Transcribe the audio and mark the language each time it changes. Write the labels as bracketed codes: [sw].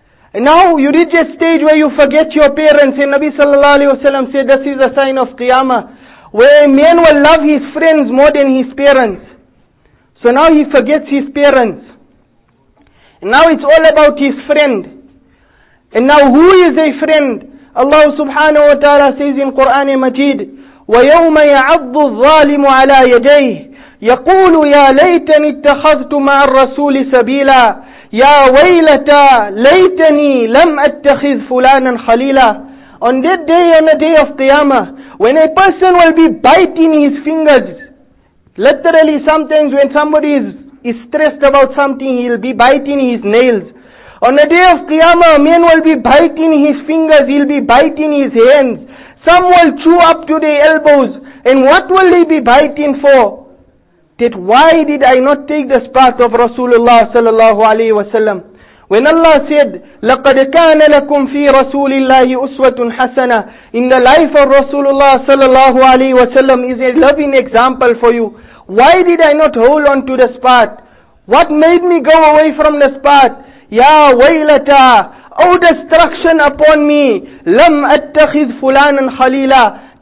[en] And now you reach a stage where you forget your parents. And Nabi sallallahu alayhi wasallam said, this is a sign of Qiyamah. Where a man will love his friends more than his parents. So now he forgets his parents. And now it's all about his friend. And now who is a friend? Allah subhanahu wa ta'ala says in Quran Majid, [ar] وَيَوْمَ يَعَضُّ الظَّالِمُ عَلَىٰ يَدَيْهِ يَقُولُ يَا لَيْتَنِي اتَّخَذْتُ مَعَ الرَّسُولِ سَبِيلًا يَا وَيْلَتَى لَيْتَنِي لَمْ أَتَّخِذْ فُلَانًا خَلِيلًا. [en] On that day and the day of Qiyamah, when a person will be biting his fingers, literally sometimes when somebody is stressed about something, he'll be biting his nails. On the day of Qiyamah, a man will be biting his fingers, he'll be biting his hands. Some will chew up to their elbows. And what will he be biting for? That why did I not take the spot of Rasulullah sallallahu alayhi wa sallam? When Allah said, [ar] لَقَدْ كَانَ لَكُمْ فِي رَسُولِ اللَّهِ أُسْوَةٌ حَسَنَةٌ. [en] In the life of Rasulullah sallallahu alayhi wa sallam is a loving example for you. Why did I not hold on to the spot? What made me go away from the spot? [ar] Ya waylata, [en] oh destruction upon me, [ar] lam attakhid fulanan khalila.